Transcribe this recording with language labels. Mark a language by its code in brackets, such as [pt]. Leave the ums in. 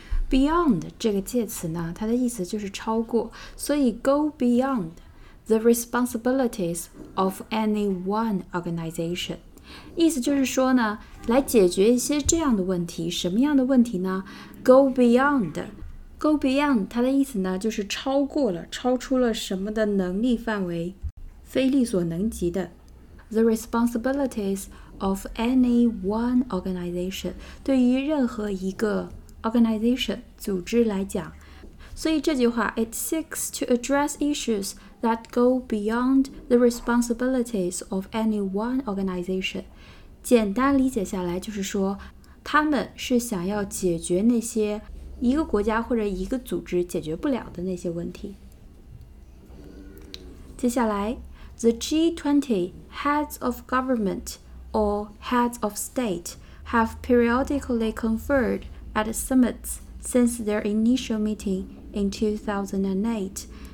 [zh] Beyond 这个介词呢，它的意思就是超过，所以 [en] go beyond the responsibilities of any one organization， [zh] 意思就是说呢，来解决一些这样的问题。什么样的问题呢？Go beyond，go beyond，它的意思呢，就是超过了，超出了什么的能力范围，非力所能及的。 [en] The responsibilities of any one organization， [zh] 对于任何一个 [en] organization, organization 组织来讲。 [zh] 所以这句话， [en] it seeks to address issues that go beyond the responsibilities of any one organization。 [zh] 简单理解下来就是说，他们是想要解决那些一个国家或者一个组织解决不了的那些问题。接下来， [en] the G20 heads of government。 or heads of state have periodically conferred at summits since their initial meeting in 2008.